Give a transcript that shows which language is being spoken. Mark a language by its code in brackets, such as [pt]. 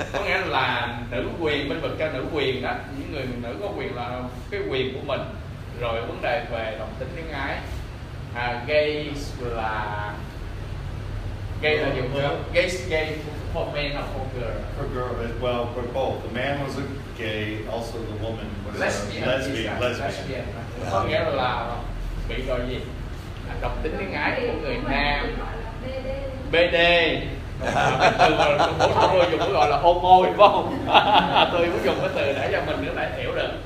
[vi] Có nghĩa là nữ quyền, bên vực cho nữ quyền đó, những người nữ có quyền là cái quyền của mình. Rồi vấn đề về đồng tính liên ái, gay là dùng gay [en] for men or for girl. For girl, well, for both. The man was a gay, also the woman was [vi] lesbian. Có nghĩa là bị rồi gì? Đồng tính liên ái của người nam. BD. Tôi dùng cái gọi là homo phải không? Tôi muốn dùng cái từ để cho mình nữa lại hiểu được.